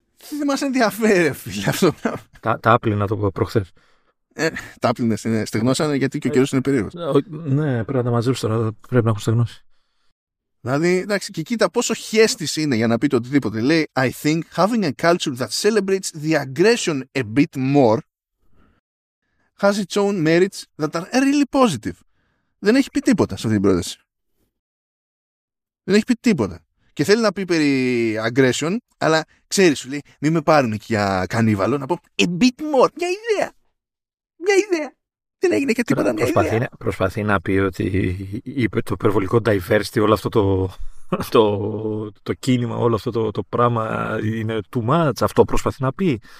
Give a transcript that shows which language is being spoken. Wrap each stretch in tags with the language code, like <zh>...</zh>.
<el>Δεν μας ενδιαφέρει, φίλε, αυτό. Τα άπλυνα το προχθές. Τα άπλυνες, ναι. Στεγνώσανε γιατί και ο καιρός είναι περίεργος. Ναι, πρέπει να τα μαζέψω τώρα. Πρέπει να έχω στεγνώσει. Δηλαδή, εντάξει, και κοίτα πόσο χέστης είναι για να πείτε οτιδήποτε. Λέει,</el> <en>I think having a culture that celebrates the aggression a bit more has its own merits that are really positive.</en> <el>Δεν έχει πει τίποτα σε αυτή την πρόταση. Δεν έχει πει τίποτα. Και θέλει να πει περί aggression, αλλά ξέρεις, λέει, μην με πάρουν και για κανίβαλο, να πω</el> <en>a bit more,</en> <el>μια ιδέα. Μια ιδέα. Δεν έγινε και τίποτα, μια προσπαθεί, ιδέα. Προσπαθεί να πει ότι είπε το υπερβολικό diversity, όλο αυτό το κίνημα, όλο αυτό το πράγμα είναι</el> <en>too much,</en> <el>αυτό προσπαθεί να πει.</el>